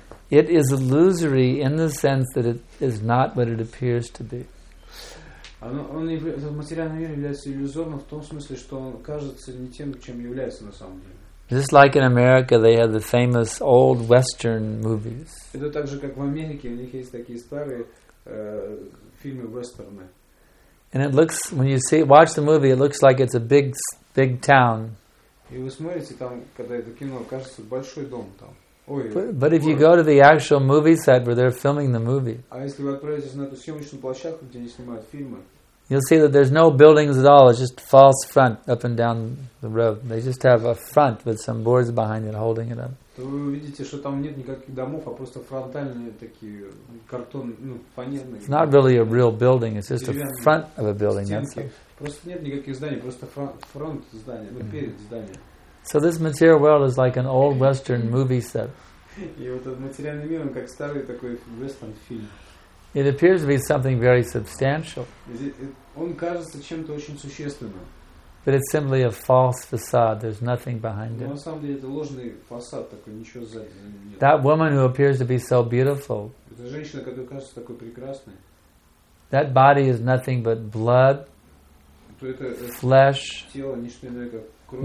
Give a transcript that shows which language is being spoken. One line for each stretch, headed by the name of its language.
English: It is illusory in the sense that it is not what it appears to be.
Russian: Он в материальном мире является иллюзорным в том смысле, что он кажется не тем, чем является на самом деле.
English: Just like in America, they have the famous old Western movies.
Russian: Это так же, как в Америке, у них есть такие старые фильмы вестерны.
English: And it looks, when you see, watch the movie, it looks like it's a big, big town.
Russian: И вы смотрите там, когда это кино, кажется большой дом там.
English: But if you go to the actual movie set where they're filming the movie,
Russian: а если вы отправитесь на эту съемочную площадку, где они снимают фильмы,
English: you'll see that there's no buildings at all. It's just false front up and down the road. They just have a front with some boards behind it holding it up.
Russian: То вы увидите, что там нет никаких домов, а просто фронтальные такие картонные, ну, фанерные.
English: It's not really a real building. It's just a front of a building. That's it.
Russian: Просто нет никаких зданий, просто фронт здания, ну, перед зданием.
English: So this material world is like an old Western movie set.
Russian: И вот этот материальный мир, он как старый такой вестерн фильм.
English: It appears to be something very substantial.
Russian: Он кажется чем-то очень существенным.
English: But it's simply a false facade. There's nothing behind it.
Russian: Но на самом деле это ложный фасад такой, ничего сзади нет.
English: That woman who appears to be so beautiful.
Russian: Эта женщина, которая кажется такой прекрасной.
English: That body is nothing but blood.
Russian: Это
English: flesh.
Russian: Тело не что иное, как кровь.